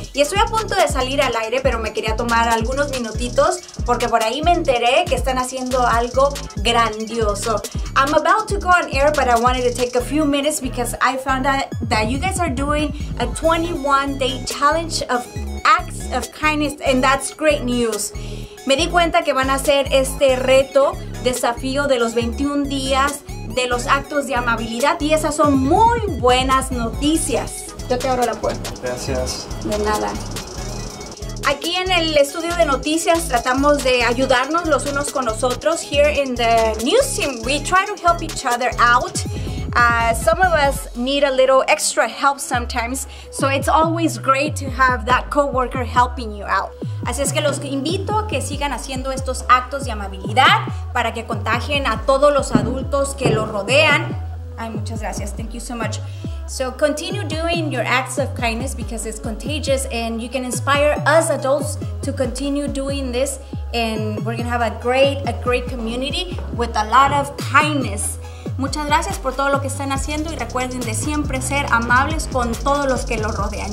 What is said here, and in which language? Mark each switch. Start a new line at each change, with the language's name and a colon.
Spanish: Y estoy a punto de salir al aire, pero me quería tomar algunos minutitos porque por ahí me enteré que están haciendo algo grandioso.
English: I'm about to go on air, but I wanted to take a few minutes because I found out that you guys are doing a 21-day challenge of acts of kindness, and that's great news.
Spanish: Me di cuenta que van a hacer este reto, desafío de los 21 días de los actos de amabilidad, y esas son muy buenas noticias. Yo te abro la puerta. Gracias. De nada. Aquí en el estudio de noticias tratamos de ayudarnos los unos con los otros.
English: Here in the news team, we try to help each other out. Some of us need a little extra help sometimes, so it's always great to have that coworker helping you out.
Spanish: Así es que los invito a que sigan haciendo estos actos de amabilidad para que contagien a todos los adultos que los rodean. Ay, muchas gracias.
English: Thank you so much. So continue doing your acts of kindness because it's contagious and you can inspire us adults to continue doing this, and we're gonna have a great community with a lot of kindness.
Spanish: Muchas gracias por todo lo que están haciendo y recuerden de siempre ser amables con todos los que los rodean.